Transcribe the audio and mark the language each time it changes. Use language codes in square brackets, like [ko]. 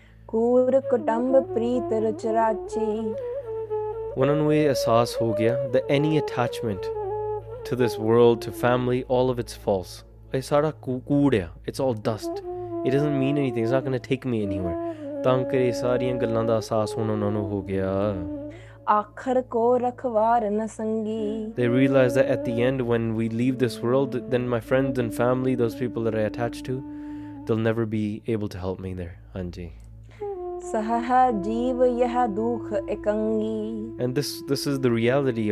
[pa] Kur kutumb preet racharachi. Unhan nu eh ehsaas ho gaya [en] that any attachment to this world, to family, all of it's false. [pa] Eh sara kur hai, [en] it's all dust. It doesn't mean anything, it's not going to take me anywhere. [pa] ਤਾਂ ਕਰੇ ਸਾਰੀਆਂ ਗੱਲਾਂ ਦਾ ਅਹਿਸਾਸ ਹੁਣ ਉਹਨਾਂ ਨੂੰ ਹੋ ਗਿਆ. ਆਖਰ ਕੋ ਰਖਵਾਰਨ ਸੰਗੀ. [en] They realize that at the end, when we leave this world, then my friends and family, those people that I attach to, they'll never be able to help me there. Anji. [pa] ਸਹਹ ਜੀਵ ਇਹ ਦੁਖ ਇਕੰਗੀ. [en] And this is the reality.